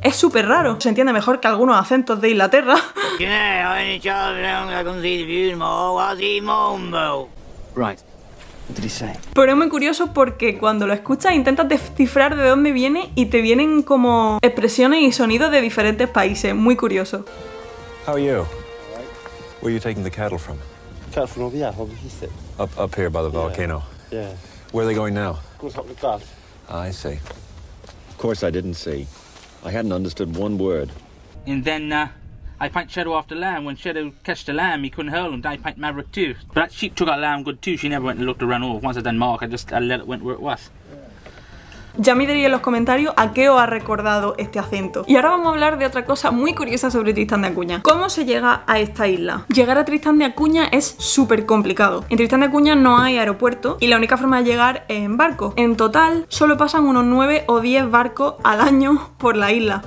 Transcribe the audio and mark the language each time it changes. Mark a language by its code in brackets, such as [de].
[es] Es súper raro, se entiende mejor que algunos acentos de Inglaterra. Pero es muy curioso porque cuando lo escuchas intentas descifrar de dónde viene y te vienen como expresiones y sonidos de diferentes países. Muy curioso. [en] How are you? Where are you taking the cattle from? Cattle from over here, up, up here by the volcano. Yeah. Where are they going now? I see. Of course I didn't see. I hadn't understood one word. And then I piped Shadow after lamb. When Shadow catched a lamb, he couldn't hurl him. I piped Maverick too. But that sheep took our lamb good too. She never went and looked around all. Once I done mark, I let it went where it was. [es] Ya me diréis en los comentarios a qué os ha recordado este acento. Y ahora vamos a hablar de otra cosa muy curiosa sobre Tristán de Acuña. ¿Cómo se llega a esta isla? Llegar a Tristán de Acuña es súper complicado. En Tristán de Acuña no hay aeropuerto y la única forma de llegar es en barco. En total, solo pasan unos 9 o 10 barcos al año por la isla.